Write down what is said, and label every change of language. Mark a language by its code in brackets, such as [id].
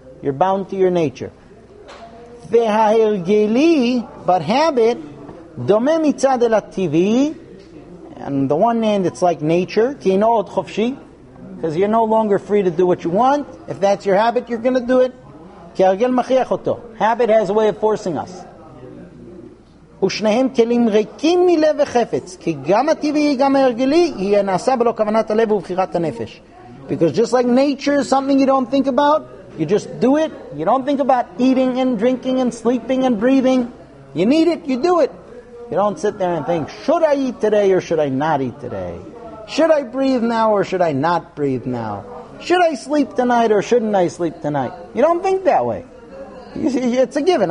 [en] You're bound to your nature. [he] Vehahergeli, [en] but habit, [he] dome mitzad el hativi, [en] on the one hand it's like nature, [he] ki no ot chofshi, [en] because you're no longer free to do what you want. If that's your habit, you're going to do it. [he] Ki hergel machiach oto. [en] Habit has a way of forcing us. [he] ושניהם כלים ריקים מלב וחפץ, כי גם הטבעי, גם הרגלי, היא נעשה בלא כוונת הלב ובחירת הנפש. [en] Because just like nature is something you don't think about, you just do it. You don't think about eating and drinking and sleeping and breathing. You need it, you do it. You don't sit there and think, should I eat today or should I not eat today? Should I breathe now or should I not breathe now? Should I sleep tonight or shouldn't I sleep tonight? You don't think that way. It's a given.